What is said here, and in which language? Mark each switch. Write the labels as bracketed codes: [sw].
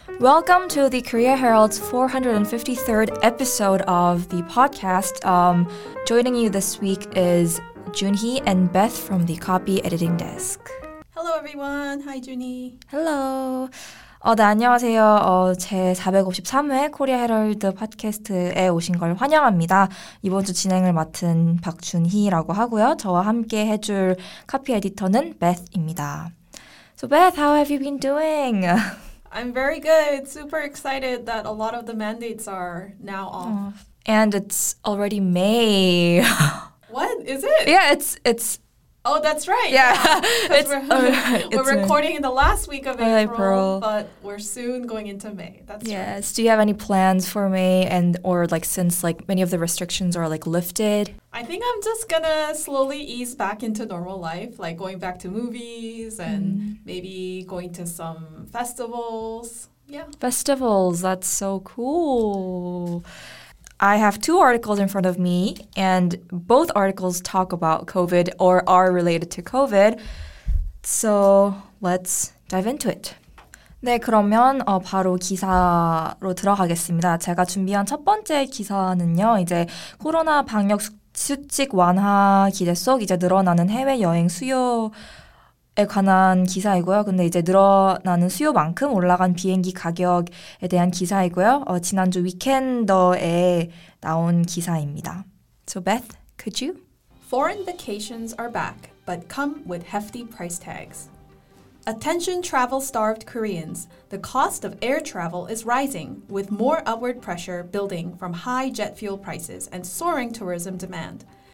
[en] Welcome to the Korea Herald's 453rd episode of the podcast. Joining you this week is Junhee and Beth from the copy editing desk. Hello everyone. Hi Junhee. Hello. [ko] 네, 안녕하세요. 제 453회 코리아 헤럴드 팟캐스트에 오신 걸 환영합니다. 이번 주 진행을 맡은 박준희라고 하고요. 저와 함께 해줄 카피 에디터는 Beth입니다. [en] So Beth, how have you been doing? I'm very good. Super excited that a lot of the mandates are now off. And it's already May. What? Is it? Yeah, it's Oh, that's right. Yeah. we're recording in the last week of April, but we're soon going into May. Yes. Do you have any plans for May and or like since like many of the restrictions are like lifted? I think I'm just going to slowly ease back into normal life, like going back to movies and maybe going to some festivals. Yeah. Festivals. That's so cool. I have two articles in front of me, and both articles talk about COVID or are related to COVID. So let's dive into it. [ko] 네, 그러면 바로 기사로 들어가겠습니다. 제가 준비한 첫 번째 기사는요, 이제 코로나 방역 수칙 완화 기대 속 이제 늘어나는 해외여행 수요 에 관한 기사이고요. 근데 이제 늘어나는 수요만큼 올라간 비행기 가격에 대한 기사이고요. 지난주 위켄더에 나온 기사입니다. [en] So Beth, could you? Foreign vacations are back, but come with hefty price tags. Attention travel-starved Koreans, the cost of air travel is rising, with more upward pressure building from high jet fuel prices and soaring tourism demand.